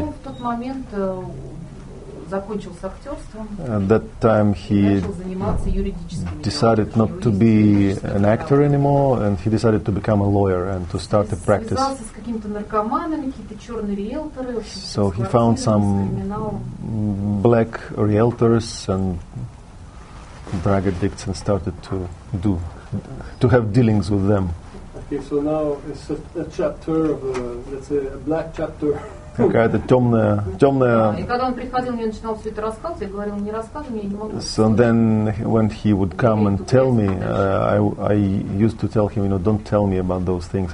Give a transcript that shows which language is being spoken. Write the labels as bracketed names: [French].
[Russian] Ну, в тот момент закончил с актерством. [English] At that time he decided not to be an actor anymore, and he decided to become a lawyer and to start a practice. [Russian] Связался с какими-то наркоманами, какие-то черные риэлторы. [English] So he found some black realtors and drug addicts and started to do. To have dealings with them. Okay, so now it's a chapter of let's say a black chapter. [Russian] Какая-то темная. И когда он приходил, мне начинал все это рассказывать, я говорил, не рассказывай, я не могу. [English] So then when he would come and tell me, I used to tell him, you know, don't tell me about those things.